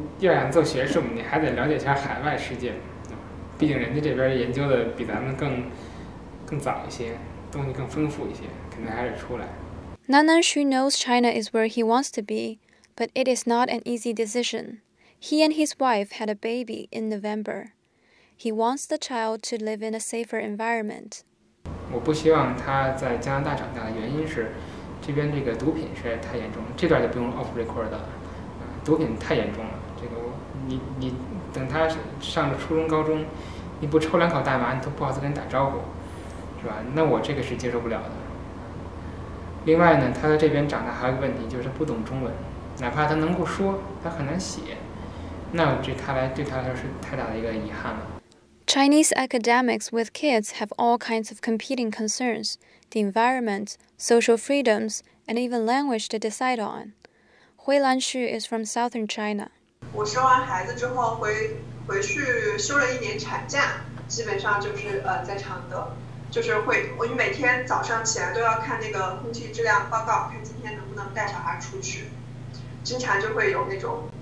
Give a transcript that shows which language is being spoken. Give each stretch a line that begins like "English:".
Chinese: 要想做学术，你还得了解一下海外世界，毕竟人家这边研究的比咱们更早一些，东西更丰富一些，肯定还是出来。
English: Nan Nan Xu knows China is where he wants to be, but it is not an easy decision. He and his wife had a baby in November. He wants the child to live in a safer environment.
Chinese: 我不希望他在加拿大长大的原因是，这边这个毒品实在太严重了。这段就不用
English: off record
Chinese: 了。毒品太严重了。这个你等他上了初中高中，你不抽两口大麻，你都不好再跟他打招呼，是吧？那我这个是接受不了的。另外呢，他在这边长大还有个问题，就是他不懂中文，哪怕他能够说，他很难写。那这看来对他来说是太大的一个遗憾了。
English: Chinese academics with kids have all kinds of competing concerns, the environment, social freedoms, and even language to decide on. Hui Lan Xu is from southern China.
Chinese: 我生完孩子之后回去休了一年产假，基本上就是在常德，就是会我每天早上起来都要看那个空气质量报告，看今天能不能带小孩出去，经常就会有那种。